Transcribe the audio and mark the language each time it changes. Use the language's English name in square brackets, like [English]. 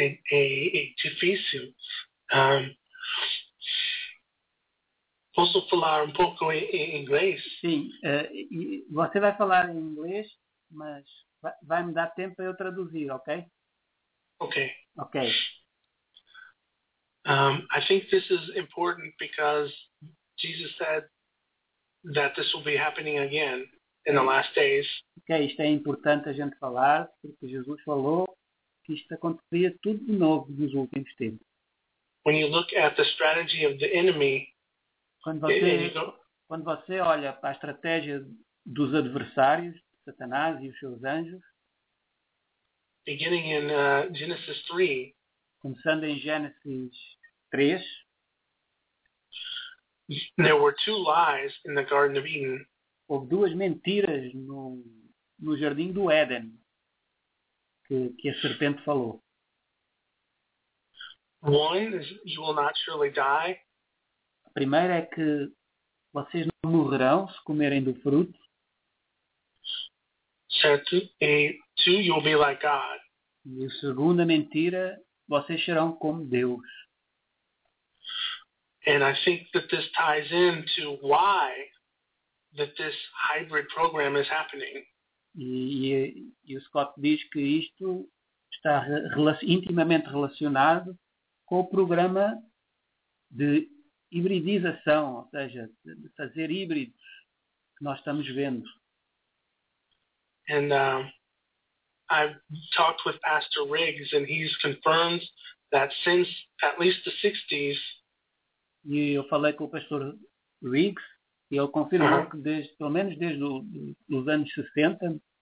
[Portuguese] É difícil. Posso falar um pouco em inglês? Sim. Você vai falar em inglês, mas vai me dar tempo para eu traduzir, ok? Ok. Ok. [English] I think this is important because Jesus said that this will be happening again in the last days. [Portuguese] Ok, isto é importante a gente falar, porque Jesus falou que isto aconteceria tudo de novo nos últimos tempos. [English] When you look at the strategy of the enemy, [Portuguese] quando você olha para a estratégia dos adversários, Satanás e os seus anjos, [English] beginning in Genesis 3, [Portuguese] começando em Gênesis 3, [English] there were two lies in the Garden of Eden. [Portuguese] Houve duas mentiras no Jardim do Éden que a serpente falou. [English] One is you will not surely die. [Portuguese] A primeira é que vocês não morrerão se comerem do fruto. Certo. E [English] two, you'll be like God. [Portuguese] E a segunda mentira, vocês serão como Deus. [English] And I think that this ties into why that this hybrid program is happening. [Portuguese] E o Scott diz que isto está intimamente relacionado com o programa de hibridização, ou seja, de fazer híbridos que nós estamos vendo. [English] And I've talked with Pastor Riggs and he's confirmed that since at least the 60s. [Portuguese] E eu falei com o Pastor Riggs e ele confirmou que desde, pelo menos desde os anos 60,